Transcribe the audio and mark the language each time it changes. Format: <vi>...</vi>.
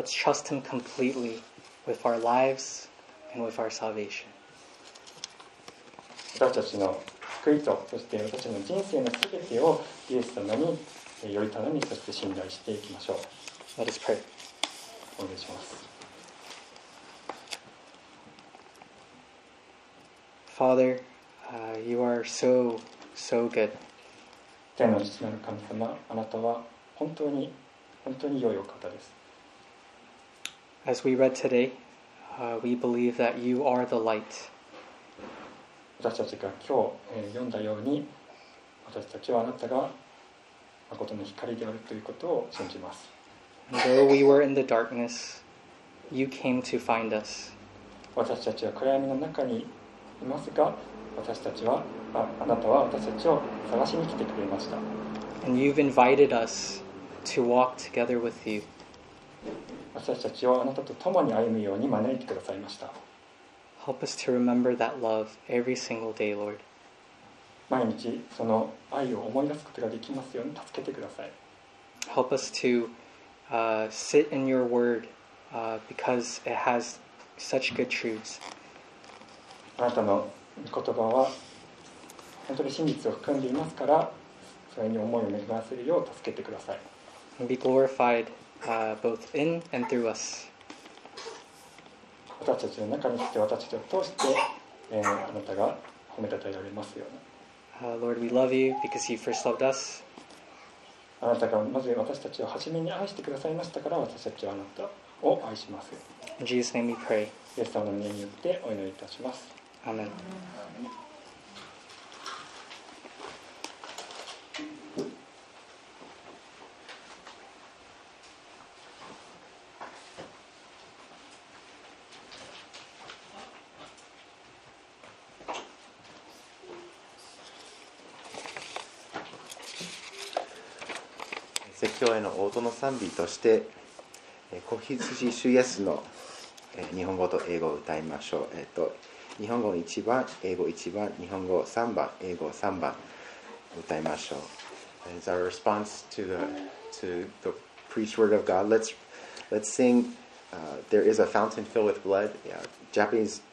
<en>Let's trust him completely with our lives and with our salvation.</en> <ja>私たちの救いと、そして私たちの人生のすべてをイエス様により頼み、そして信頼していきましょう。</ja> <en>Let us pray.</en> <ja>お願いします。</ja> <en>Father, you are so... So good.</en> <ja>天の父なる神様、あなたは本当に本当に良いお方です。</ja> <en>As we read today, we believe that you are the light.</en> <ja>私たちが今日、読んだように、私たちはあなたが誠の光であるということを信じます。</ja> <en>And though we were in the darkness, you came to find us.</en> <ja>私たちは暗闇の中にいますが、私たちはあなたは私たちを探しに来てくれました。</ja> <en>And you've invited us to walk together with you.</en> <ja>私たちをあなたと共に歩むように招いてくださいました。</ja> <en>Help us to remember that love every single day, Lord.</en> <ja>毎日その愛を思い出すことができますように助けてください。</ja> <en>Help us to sit in your word because it has such good truths.</en> <ja>あなたの言葉は本当に真実を含んでいますから、それに思いを巡らせるよう助けてください。</ja> <en>Be glorified, both in and through us.</en> <ja>私たちの中に来て、私たちを通して、あなたが褒めたたえられますように。</ja> <en>Lord, we love you because you first loved us.</en> <ja>あなたがまず私たちを初めに愛してくださいましたから、私たちはあなたを愛します。</ja> <en>In Jesus' name we pray.</en> <ja>イエス様の名によってお祈りいたします。アメン。説教への応答の賛美として子羊主イエスの日本語と英語を歌いましょう。日本語1番、英語1番、日本語3番、英語3番歌いましょう。</ja> <en>As our response to the preached word of God, let's sing There is a fountain filled with blood. Yeah, Japanese</en>